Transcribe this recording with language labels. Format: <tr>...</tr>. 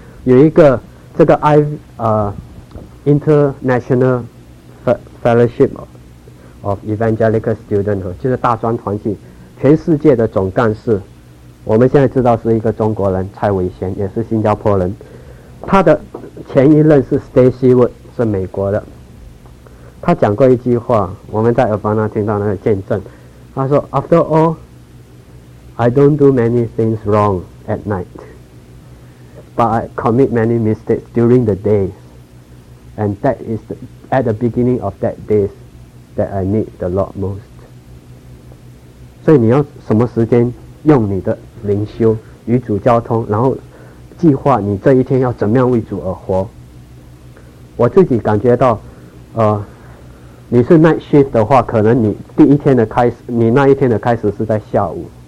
<zh>有一个这个International Fellowship of Evangelical Student， 就是大专团体，全世界的总干事，我们现在知道是一个中国人蔡伟贤，也是新加坡人，他的前一任是 Stacy Wood， 是美国的。他讲过一句话，我们在尔巴纳听到那个见证，他说</zh> <en>After all I don't do many things wrong at night but I commit many mistakes during the day and that is at the beginning of that day that I need the Lord most。</en> <zh>所以你要什么时间用你的灵修与主交通，然后计划你这一天要怎么样为主而活。我自己感觉到你是 night shift 的话，可能你第一天的开始，你那一天的开始是在下午。</zh>